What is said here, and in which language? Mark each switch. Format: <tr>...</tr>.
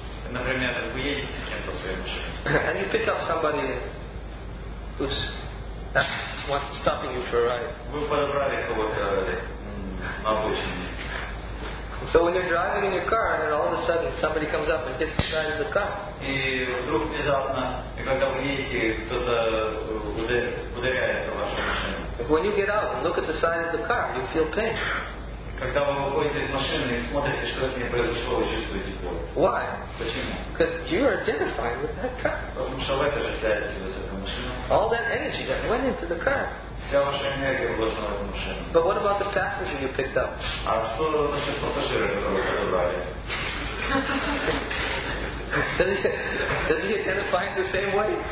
<ru>Например, вы едете с кем-то в своей машине.</ru> <en>And you pick up somebody who's what's stopping you for a ride.</en> <ru>Вы подобрали кого-то на обочине.</ru> <en>So when you're driving in your car and all of a sudden somebody comes up and hits the side of the car.</en> <ru>И вдруг внезапно, когда вы едете, кто-то ударяется в вашу машину.</ru> <en>When you get out and look at the side of the car, you feel pain.</en> <ru>Когда вы выходите из машины и смотрите, что с ней произошло, вы чувствуете боль.</ru> <en>Why?</en> <ru>Почему?</ru> <en>Because you are identifying with that car.</en> <ru>Потому что вы отождествляете себя с этой машиной.</ru> <en>All that energy that went into the car.</en> <ru>Вся ваша энергия вложена в эту машину.</ru> <en>But what about the passenger you picked up?</en> <ru>А что насчет пассажира, которого вы забрали?</ru> <en>Does he identify the same way?</en>